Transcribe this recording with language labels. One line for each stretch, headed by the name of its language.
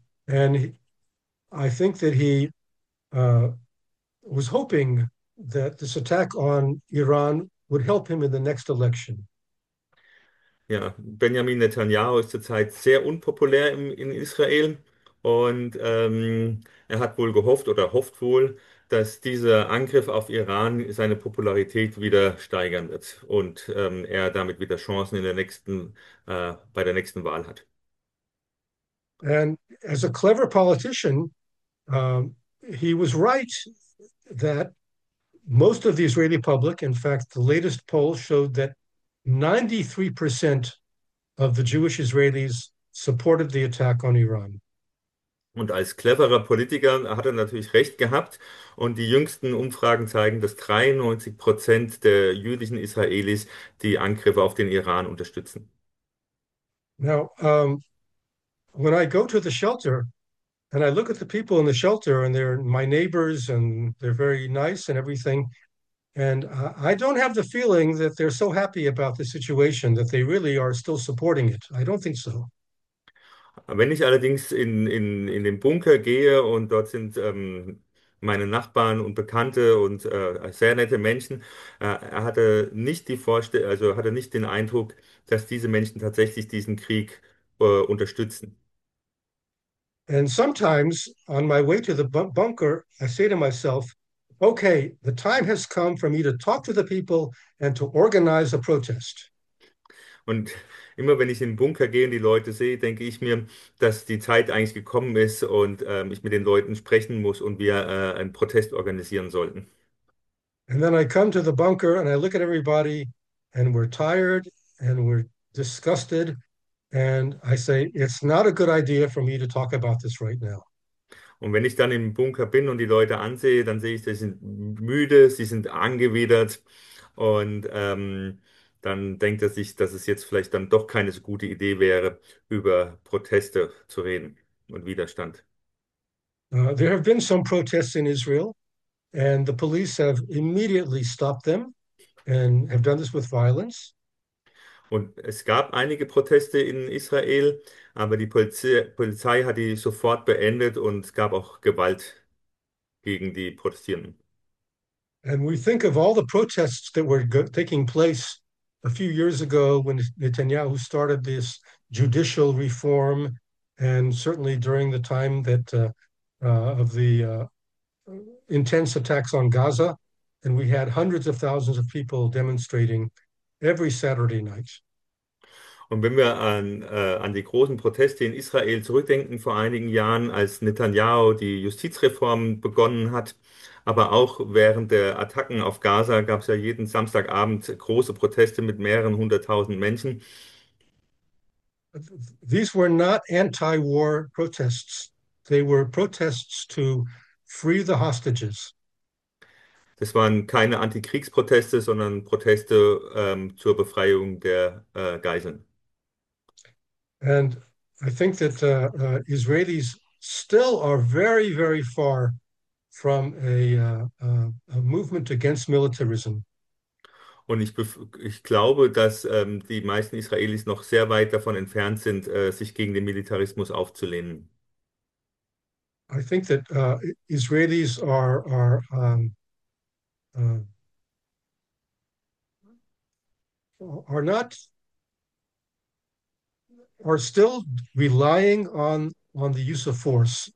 English: And I think that he was hoping that this attack on Iran would help him in the next election.
German: Ja, Benjamin Netanyahu ist zurzeit sehr unpopulär in Israel und er hat wohl gehofft oder hofft wohl, dass dieser Angriff auf Iran seine Popularität wieder steigern wird und er damit wieder Chancen in der nächsten, bei der nächsten Wahl hat.
English: And as a clever politician, he was right that most of the Israeli public, in fact, the latest poll showed that 93% of the Jewish Israelis supported the attack on Iran.
German: Und als cleverer Politiker hat er natürlich recht gehabt. Und die jüngsten Umfragen zeigen, dass 93% der jüdischen Israelis die Angriffe auf den Iran unterstützen.
English: Now, when I go to the shelter and I look at the people in the shelter and they're my neighbors and they're very nice and everything, and I don't have the feeling that they're so happy about the situation that they really are still supporting it. I don't think so.
German: Wenn ich allerdings in den Bunker gehe und dort sind meine Nachbarn und Bekannte und sehr nette Menschen, er hatte nicht die Vorstellung, also hatte nicht den Eindruck, dass diese Menschen tatsächlich diesen Krieg unterstützen.
English: And sometimes on my way to the bunker, I say to myself, okay, the time has come for me to talk to the people and to organize a protest.
German: Und immer wenn ich in den Bunker gehe und die Leute sehe, denke ich mir, dass die Zeit eigentlich gekommen ist und ich mit den Leuten sprechen muss und wir einen Protest organisieren sollten.
English: And then I come to the bunker and I look at everybody and we're tired and we're disgusted. And I say, it's not a good idea for me to talk about this right now.
German: Und wenn ich dann im Bunker bin und die Leute ansehe, dann sehe ich, sie sind müde, sie sind angewidert und dann denkt er sich, dass es jetzt vielleicht dann doch keine so gute Idee wäre, über Proteste zu reden und Widerstand.
English: There have been some protests in Israel, and the police have immediately stopped them and have done this with violence.
German: Und es gab einige Proteste in Israel, aber die Polizei hat die sofort beendet und es gab auch Gewalt gegen die Protestierenden.
English: And we think of all the protests that were taking place a few years ago when Netanyahu started this judicial reform, and certainly during the time that of the intense attacks on Gaza, and we had hundreds of thousands of people demonstrating every Saturday night.
German: Und wenn wir an die großen Proteste in Israel zurückdenken vor einigen Jahren, als Netanyahu die Justizreform begonnen hat, aber auch während der Attacken auf Gaza gab es ja jeden Samstagabend große Proteste mit mehreren hunderttausend Menschen.
English: These were not anti-war protests. They were protests to free the hostages.
German: Das waren keine Antikriegsproteste, sondern Proteste zur Befreiung der Geiseln.
English: And I think that Israelis still are very, very far from a movement against militarism.
German: Und ich glaube, dass die meisten Israelis noch sehr weit davon entfernt sind, sich gegen den Militarismus aufzulehnen.
English: I think that Israelis are not are still relying on the use of force.